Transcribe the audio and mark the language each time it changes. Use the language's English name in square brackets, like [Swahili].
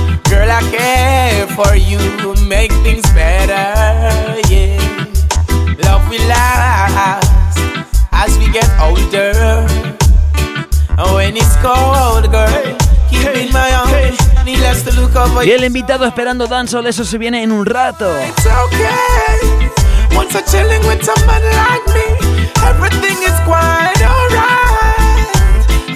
[English] Girl, I care for you, make things better, yeah. Love will last as we get older. And when it's cold, girl, keep in my arms. Need less to look over. [Spanish] Y el invitado esperando Dancehall, eso se viene en un rato. [English] It's okay. Once I'm chilling with someone like me, everything is quite alright.